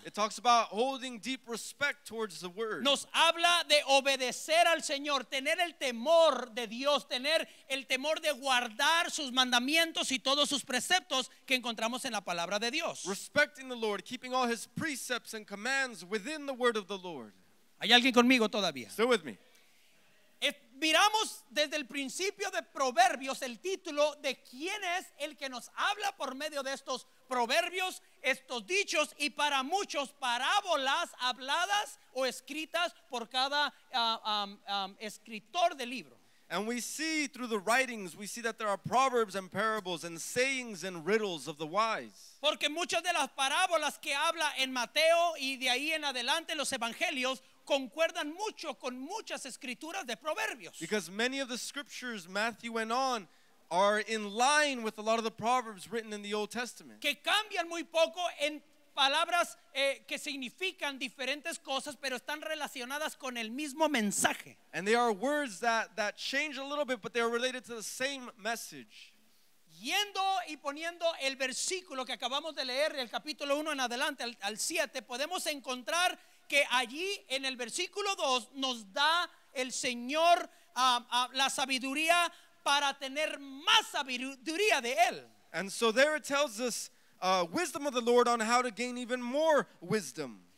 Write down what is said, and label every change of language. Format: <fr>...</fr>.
<en>It talks about holding deep respect towards the word.</en> <es>Nos habla de obedecer al Señor, tener el temor de Dios, tener el temor de guardar sus mandamientos y todos sus preceptos que encontramos en la palabra de Dios.</es> <en>Respecting the Lord, keeping all his precepts and commands within the word of the Lord.</en> <es>¿Hay alguien conmigo todavía?</es> <en>Still with me.</en> <es>Miramos desde el principio de Proverbios el título de quién es el que nos habla por medio de estos proverbios, estos dichos y para muchos parábolas habladas o escritas por cada escritor del libro.</es> <en>And we see through the writings, we see that there are proverbs and parables and sayings and riddles of the wise.</en> <es>Porque muchas de las parábolas que habla en Mateo y de ahí en adelante los evangelios concuerdan mucho con muchas escrituras de proverbios.</es> <en>Because many of the scriptures Matthew went on are in line with a lot of the proverbs written in the Old Testament.</en> <es>Que cambian muy poco en palabras que significan diferentes cosas, pero están relacionadas con el mismo mensaje.</es> <en>And they are words that change a little bit, but they are related to the same message.</en> <es>Yendo y poniendo el versículo que acabamos de leer, el capítulo 1 en adelante, al 7, podemos encontrar que allí en el versículo 2 nos da el Señor la sabiduría para tener más sabiduría de Él.</es> <en>And so there it tells us wisdom of the Lord on how to gain even more wisdom.</en>